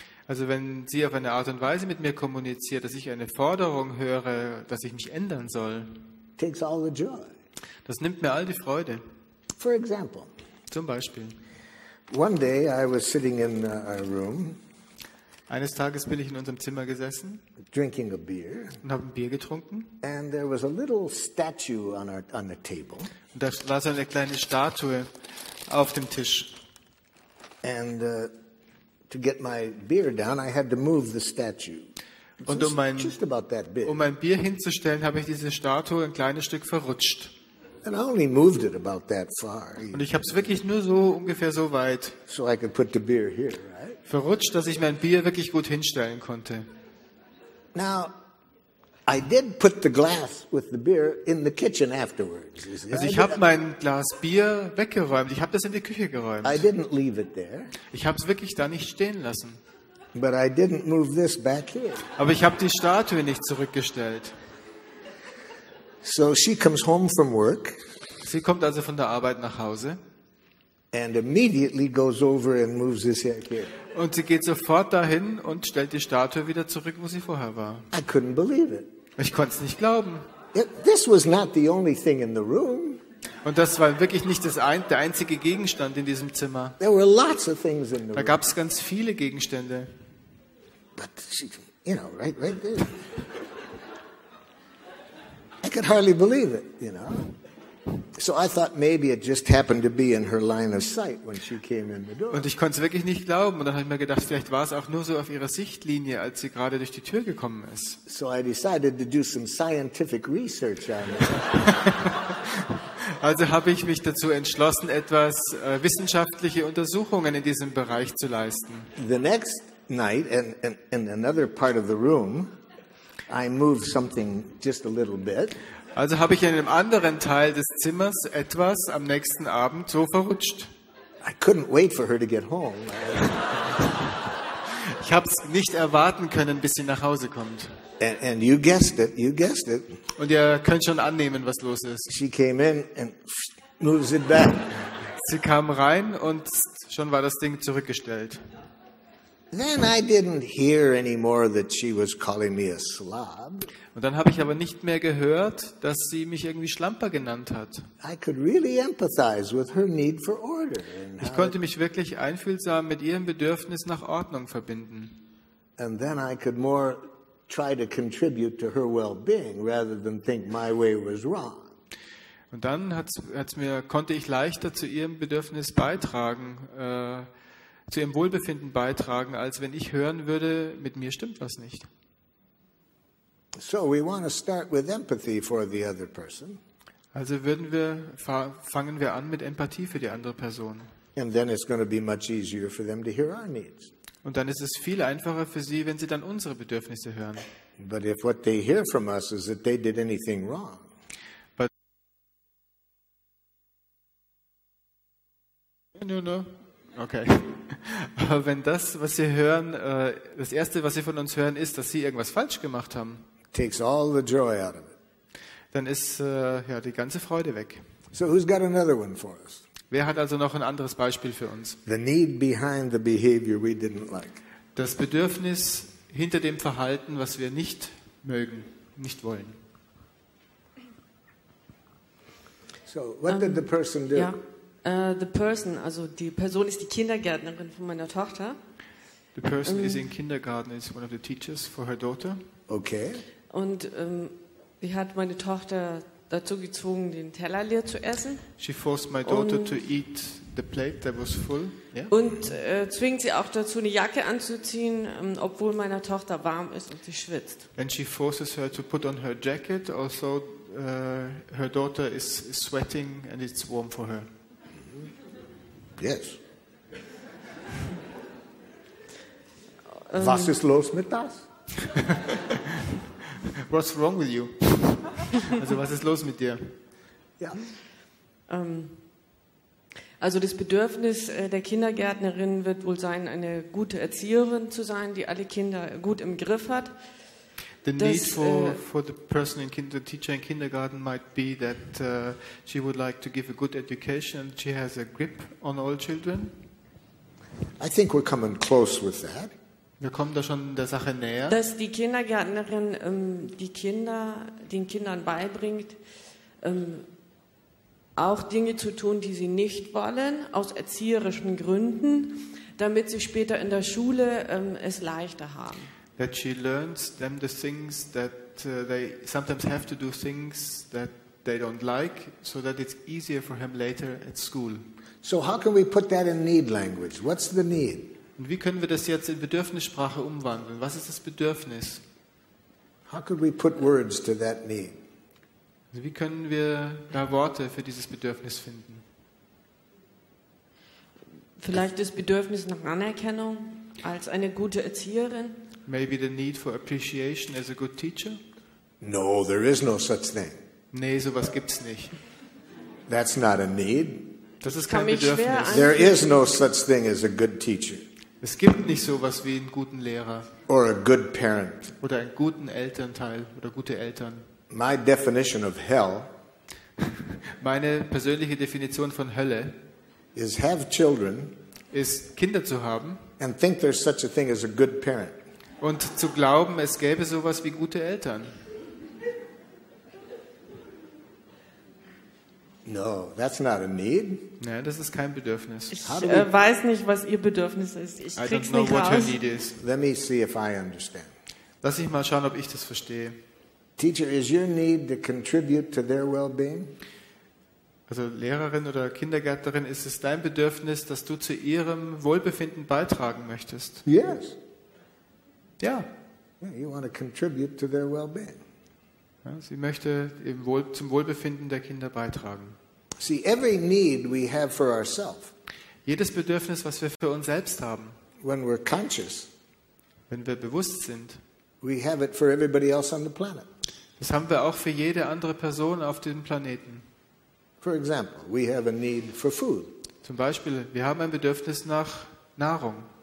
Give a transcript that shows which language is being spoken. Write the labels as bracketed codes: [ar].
[de] Also wenn sie auf eine Art und Weise mit mir kommuniziert, dass ich eine Forderung höre, dass ich mich ändern soll. [en] Takes all the joy. [de] Das nimmt mir all die Freude. [en] For example, [de] zum Beispiel. [en] One day I was sitting in our room. [de] Eines Tages bin ich in unserem Zimmer gesessen, [en] drinking a beer, [de] und habe ein Bier getrunken. [en] And there was a little statue on our, on the table. [de] Und da war so eine kleine Statue auf dem Tisch. [en] And to get my beer down, I had to move the statue. [de] Und um mein Bier hinzustellen, habe ich diese Statue ein kleines Stück verrutscht. [en] And I only moved it about that far. [de] Und ich habe es wirklich nur so ungefähr so weit [en] so I could put the beer here, right? [de] Verrutscht, dass ich mein Bier wirklich gut hinstellen konnte. [en] Now, I did put the glass with the beer in the kitchen afterwards. [de] Also ich habe mein Glas Bier weggeräumt. Ich habe das in die Küche geräumt. [en] I didn't leave it there. [de] Ich habe es wirklich da nicht stehen lassen. [en] But I didn't move this back here. [de] Aber ich habe die Statue nicht zurückgestellt. [en] So she comes home from work. [de] Sie kommt also von der Arbeit nach Hause. [en] And immediately goes over and moves this here. [de] Und sie geht sofort dahin und stellt die Statue wieder zurück, wo sie vorher war. [en] I couldn't believe it. [de] Ich konnte es nicht glauben. [en] This was not the only thing in the room. [de] Und das war wirklich nicht das der einzige Gegenstand in diesem Zimmer. [en] There were lots of things in the [de] room. Da gab es ganz viele Gegenstände. [en] But she, you know, right there. I could hardly believe it, you know. So I thought maybe it just happened to be in her line of sight when she came in the door. [de] Und ich konnte es wirklich nicht glauben. Und dann habe ich mir gedacht, vielleicht war es auch nur so auf ihrer Sichtlinie, als sie gerade durch die Tür gekommen ist. [en] So I decided to do some scientific research on it. [de] Also habe ich mich dazu entschlossen, etwas wissenschaftliche Untersuchungen in diesem Bereich zu leisten. [en] The next night, in another part of the room, I moved something just a little bit. [de] Also habe ich in einem anderen Teil des Zimmers etwas am nächsten Abend so verrutscht. [en] I couldn't wait for her to get home. [de] Ich habe es nicht erwarten können, bis sie nach Hause kommt. [en] And you guessed it, you guessed it. [de] Und ihr könnt schon annehmen, was los ist. [en] She came in and moves it back. [de] Sie kam rein und schon war das Ding zurückgestellt. [en] Then I didn't hear anymore that she was calling me a slob. [de] Und dann habe ich aber nicht mehr gehört, dass sie mich irgendwie Schlamper genannt hat. [en] I could really empathize with her need for order. [de] Ich konnte mich wirklich einfühlsam mit ihrem Bedürfnis nach Ordnung verbinden. [en] And then I could more try to contribute to her well-being rather than think my way was wrong. [de] Und dann konnte ich leichter zu ihrem Bedürfnis beitragen, zu ihrem Wohlbefinden beitragen, als wenn ich hören würde, mit mir stimmt was nicht. [en] So we want to start with empathy for the other person. [de] Also fangen wir an mit Empathie für die andere Person. [en] And then it's going to be much easier for them to hear our needs. [de] Und dann ist es viel einfacher für sie, wenn sie dann unsere Bedürfnisse hören. [en] But if what they hear from us is that they did anything wrong. But no. Okay. [de] Aber wenn das, was Sie hören, das Erste, was Sie von uns hören, ist, dass Sie irgendwas falsch gemacht haben, [en] takes all the joy out of it. [de] Dann ist ja, die ganze Freude weg. [en] So who's got another one for us? [de] Wer hat also noch ein anderes Beispiel für uns? [en] The need behind the behavior we didn't like. [de] Das Bedürfnis hinter dem Verhalten, was wir nicht mögen, nicht wollen. [en] So, what did the person do? Yeah. [de] Die Person ist die Kindergärtnerin von meiner Tochter. [en] The person is in kindergarten is one of the teachers for her daughter. Okay. [de] Und sie hat meine Tochter dazu gezwungen, den Teller leer zu essen. [en] She forced my daughter to eat the plate that was full. Yeah. [de] Und zwingt sie auch dazu, eine Jacke anzuziehen, obwohl meiner Tochter warm ist und sie schwitzt. [en] And she forces her to put on her jacket, also her daughter is sweating and it's warm for her. Yes. [de] Was ist los mit das? [en] What's wrong with you? [de] Also was ist los mit dir? Ja. Also das Bedürfnis der Kindergärtnerin wird wohl sein, eine gute Erzieherin zu sein, die alle Kinder gut im Griff hat. [en] The need for the person in the teacher in kindergarten might be that she would like to give a good education. She has a grip on all children. I think we're coming close with that. [de] Wir kommen da schon der Sache näher. Dass die Kindergärtnerin den Kindern beibringt, auch Dinge zu tun, die sie nicht wollen, aus erzieherischen Gründen. damit sie später in der Schule es leichter haben. [en] That she learns them the things that they sometimes have to do things that they don't like, so that it's easier for him later at school. So how can we put that in need language? What's the need? [de] Und wie können wir das jetzt in Bedürfnissprache umwandeln? Was ist das Bedürfnis? [en] How could we put words to that need? [de] Wie können wir da Worte für dieses Bedürfnis finden? Vielleicht das Bedürfnis nach Anerkennung als eine gute Erzieherin? [en] Maybe the need for appreciation as a good teacher? No, there is no such thing. [de] Nee, sowas gibt's nicht. [en] That's not a need. [de] Das ist kein Bedürfnis. [en] There is no such thing as a good teacher. [de] Es gibt nicht sowas wie einen guten Lehrer. [en] Or a good parent. [de] Oder einen guten Elternteil oder gute Eltern. [en] My definition of hell. [de] Meine persönliche Definition von Hölle. [en] Is have children. [de] Ist Kinder zu haben. [en] And think there's such a thing as a good parent. [de] Und zu glauben, es gäbe sowas wie gute Eltern. [en] No, that's not a need. [de] Nein, das ist kein Bedürfnis. Ich weiß nicht, was Ihr Bedürfnis ist. Ich krieg's nicht raus. [en] I don't know what her need is. Let me see if I understand. [de] Lass ich mal schauen, ob ich das verstehe. [en] Teacher, is your need to contribute to their well-being? [de] Also Lehrerin oder Kindergärtnerin, ist es dein Bedürfnis, dass du zu ihrem Wohlbefinden beitragen möchtest? [en] Yes. [de] Ja. [en] You want to contribute to their well-being. [de] Sie möchte zum Wohlbefinden der Kinder beitragen. [en] See, every need we have for ourselves. [de] Jedes Bedürfnis, was wir für uns selbst haben, [en] when we're conscious, [de] wenn wir bewusst sind, [en] we have it for everybody else on the planet. [de] Das haben wir auch für jede andere Person auf dem Planeten. [en] For example, we have a need for food. [de] Zum Beispiel, wir haben ein Bedürfnis nach Nahrung.